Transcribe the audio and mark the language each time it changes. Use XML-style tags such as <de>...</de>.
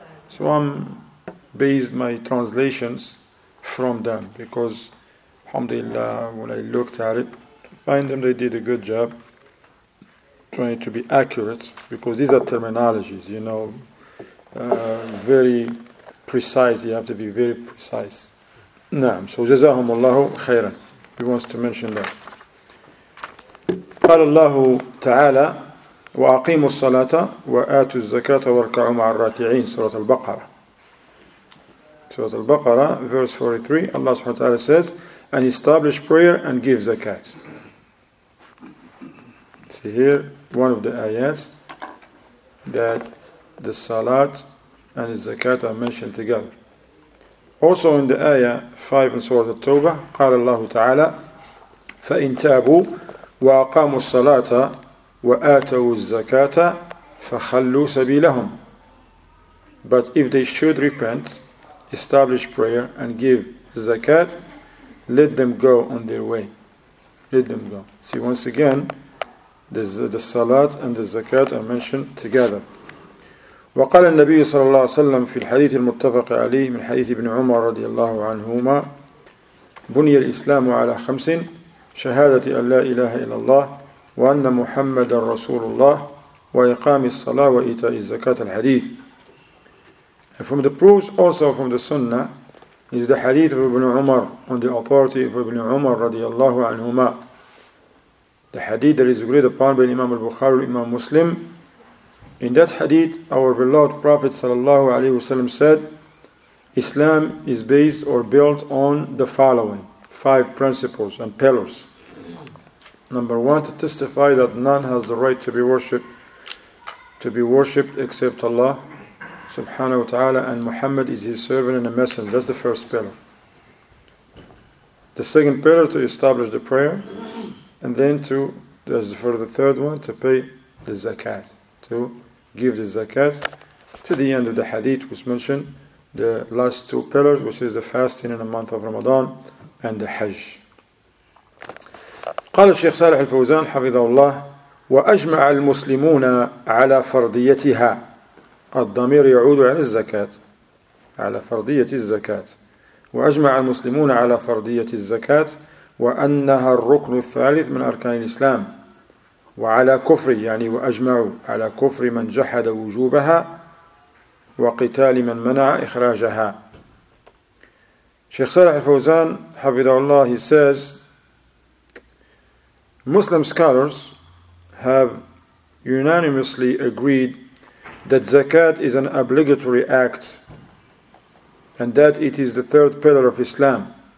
<en>So I'm based my translations from them, because alhamdulillah, when I looked at it, find them, they did a good job trying to be accurate, because these are terminologies, you know, very precise, you have to be very precise. Naam, so jazahumullahu khairan. He wants to mention that.</en> <ar>قال الله تعالى وأقيموا الصلاة وآتوا الزكاة واركعوا مع الراكعين, سورة البقرة.</ar> <en>سورة البقرة, verse 43, Allah سبحانه وتعالى says, and establish prayer and give zakat. See here, one of the ayats that the salat and the zakat are mentioned together. Also in the ayah 5 in Surah At-Tawbah,</en> <ar>قَالَ اللَّهُ تَعَالَى فَإِن تَابُوا وَأَقَامُوا الصَّلَاةَ وَآتَوُوا الزَّكَاةَ فَخَلُّوا سَبِيلَهُمْ.</ar> <en>But if they should repent, establish prayer, and give zakat, let them go on their way. Let them go. See, once again, the salat and the zakat are mentioned together.</en> <ar>وقال النبي صلى الله عليه وسلم في الحديث المتفق عليه من حديث ابن عمر رضي الله عنهما بني الإسلام على خمس: شهادة أن لا إله إلا الله وأن محمد رسول الله وإقام الصلاة وإيتاء الزكاة.</ar> <en>الحديث from the proofs also from the sunnah is the hadith of ابن عمر on the authority of ابن عمر رضي الله عنهما, the hadith that is agreed upon by Imam al-Bukhari and Imam Muslim. In that hadith, our beloved Prophet sallallahu alaihi wasallam said, Islam is based or built on the following five principles and pillars. Number one, to testify that none has the right to be worshipped except Allah subhanahu wa ta'ala, and Muhammad is his servant and a messenger. That's the first pillar. The second pillar, to establish the prayer, and then for the third one, to pay the zakat, to give the zakat, to the end of the hadith, which mentioned the last two pillars, which is the fasting in the month of Ramadan and the Hajj.</en> <ar>قال الشيخ صالح الفوزان حفظه الله وأجمع المسلمون على فرضيتها. الضمير يعود عن الزكاة على فرضية الزكاة. وأجمع المسلمون على فرضية الزكاة وأنها الركن الثالث من أركان الإسلام، وعلى كفر، يعني وأجمعوا على كفر من جحد وجوبها وقتال من منع إخراجها.</ar> <en>شيخ صالح الفوزان حفظه الله he says Muslim scholars have unanimously agreed that zakat is an obligatory act and that it is the third pillar of Islam.</en>